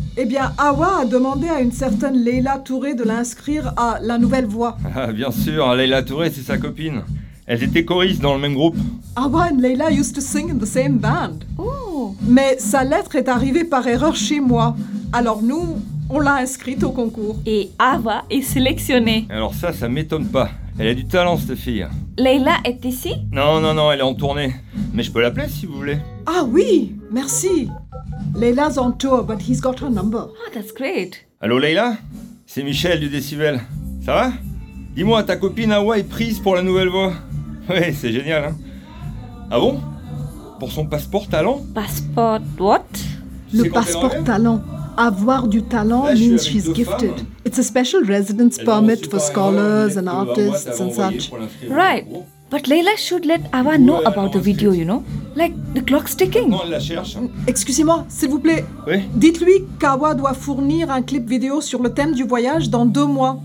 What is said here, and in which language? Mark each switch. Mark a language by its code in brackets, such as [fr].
[fr] Eh bien, Awa a demandé à une certaine Leila Touré de l'inscrire à La Nouvelle Voix. Ah, bien sûr, Leila Touré, c'est sa copine. Elles étaient choristes dans le même groupe. [en] Awa and Leila used to sing in the same band. Oh. [fr] Mais sa lettre est arrivée par erreur chez moi. Alors nous, on l'a inscrite au concours. Et Ava est sélectionnée. Alors ça m'étonne pas. Elle a du talent, cette fille. Leïla est ici? Non, elle est en tournée. Mais je peux l'appeler, si vous voulez. Ah oui, merci. [en] Leïla's on tour, but he's got her number. Oh, that's great. [fr] Allô, Leïla? C'est Michel, du Décibel. Ça va? Dis-moi, ta copine Hawa est prise pour la nouvelle voix. Ouais, c'est génial, hein. Ah bon? Pour son passeport talent? [en] Passport what? [fr] Le passeport talent. Avoir du talent là, [en] means she's gifted. [fr] Femmes. [en] It's a special residence elle permit for scholars and artists and such. Right. But Leïla should let Hawa know about the video, you know? Like, the clock's ticking. [fr] Non, elle la cherche. Excusez-moi, s'il vous plaît. Oui? Dites-lui qu'Hawa doit fournir un clip vidéo sur le thème du voyage dans 2 mois.